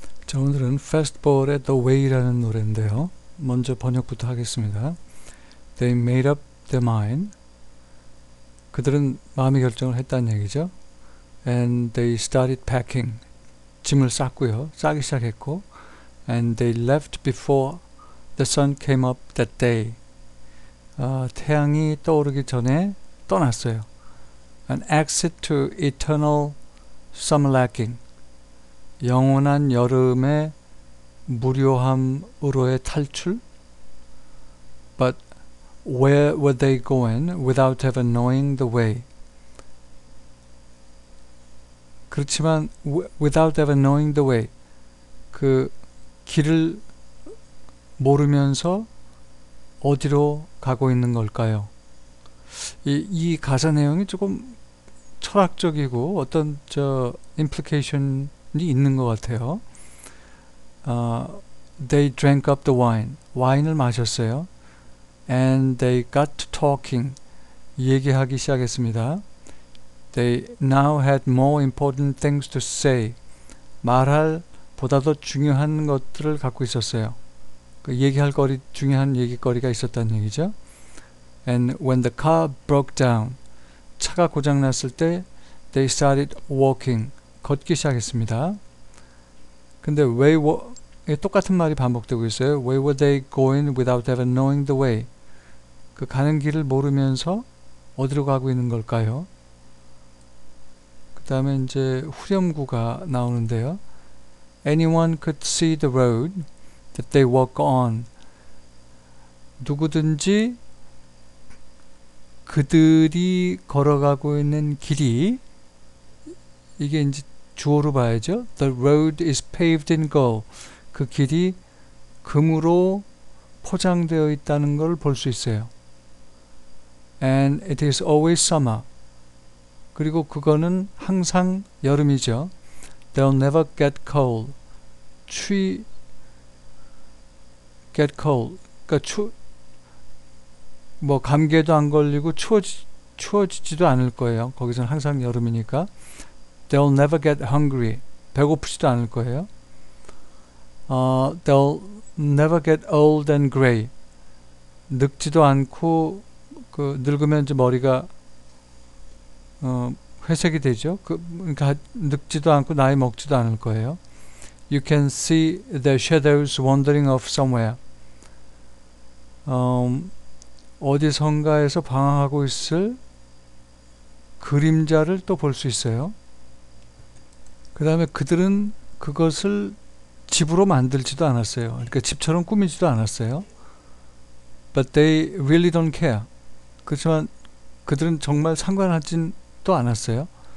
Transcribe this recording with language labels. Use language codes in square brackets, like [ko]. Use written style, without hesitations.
[ko] 자, 오늘은 Fastball의 The Way라는 노래인데요. 먼저 번역부터 하겠습니다. [en] They made up their mind. [ko] 그들은 마음의 결정을 했다는 얘기죠. [en] And they started packing. [ko] 짐을 쌌고요. 싸기 시작했고. [en] And they left before the sun came up that day. [ko] 태양이 떠오르기 전에 떠났어요. [en] An exit to eternal summer lacking. [ko] 영원한 여름의 무료함으로의 탈출? [en] But where were they going without ever knowing the way? [ko] 그렇지만 [en] without ever knowing the way, [ko] 그 길을 모르면서 어디로 가고 있는 걸까요? 이 가사 내용이 조금 철학적이고 어떤 저 implication 있는 것 같아요. [en] They drank up the wine. [ko] 와인을 마셨어요. [en] And they got to talking. [ko] 얘기하기 시작했습니다. [en] They now had more important things to say. [ko] 말할 보다 더 중요한 것들을 갖고 있었어요. 그 얘기할 거리, 중요한 얘기거리가 있었다는 얘기죠. [en] And when the car broke down, [ko] 차가 고장 났을 때, [en] they started walking. [ko] 걷기 시작했습니다. 근데 똑같은 말이 반복되고 있어요. [en] Where were they going without ever knowing the way? [ko] 그 가는 길을 모르면서 어디로 가고 있는 걸까요? 그 다음에 이제 후렴구가 나오는데요. [en] Anyone could see the road that they walk on. [ko] 누구든지 그들이 걸어가고 있는 길이 이게 이제 주어로 봐야죠. [en] The road is paved in gold. [ko] 그 길이 금으로 포장되어 있다는 걸볼수 있어요. [en] And it is always summer. [ko] 그리고 그거는 항상 여름이죠. [en] They'll never get cold. Get cold. [ko] 그러니까 뭐 감기에도 안 걸리고 추워지지도 않을 거예요. 거기서는 항상 여름이니까. [en] They'll never get hungry. [ko] 배고프지도 않을 거예요. [en] They'll never get old and gray. [ko] 늙지도 않고 늙으면 이제 머리가 회색이 되죠. 그러니까 늙지도 않고 나이 먹지도 않을 거예요. [en] You can see their shadows wandering off somewhere. [ko] 어디선가에서 방황하고 있을 그림자를 또볼수 있어요. 그 다음에 그들은 그것을 집으로 만들지도 않았어요. 그러니까 집처럼 꾸미지도 않았어요. [en] But they really don't care. [ko] 그렇지만 그들은 정말 상관하진 또 않았어요.